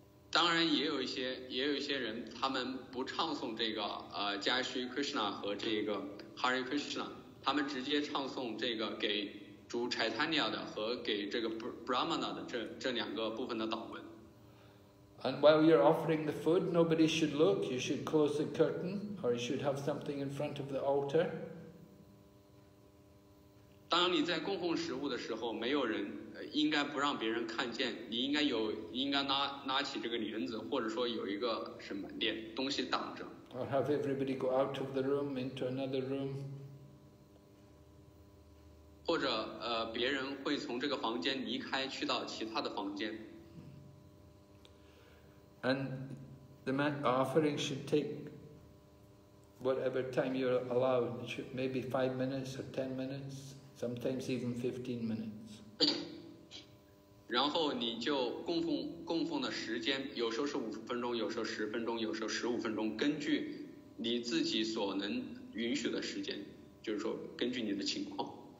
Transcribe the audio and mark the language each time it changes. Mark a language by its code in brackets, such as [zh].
[zh] 当然也有一些人他们不唱诵这个加须 Krishna 和这个 Hare Krishna, 他们直接唱诵这个给主 Chaitanya 的和给这个 Brahmana 的这两个部分的祷文。 [en] And while you're offering the food, nobody should look. You should close the curtain, or you should have something in front of the altar. [zh] 当你在供奉食物的时候，没有人应该不让别人看见。你应该拿起这个帘子，或者说有一个什么帘东西挡着。 [en] Or have everybody go out of the room into another room. [zh] 或者别人会从这个房间离开去到其他的房间。 [en] And the offering should take whatever time you're allowed. It should maybe 5 minutes or 10 minutes, sometimes even 15 minutes. [zh] 然后你就供奉的时间，有时候是5分钟，有时候10分钟，有时候15分钟，根据你自己所能允许的时间，就是说根据你的情况。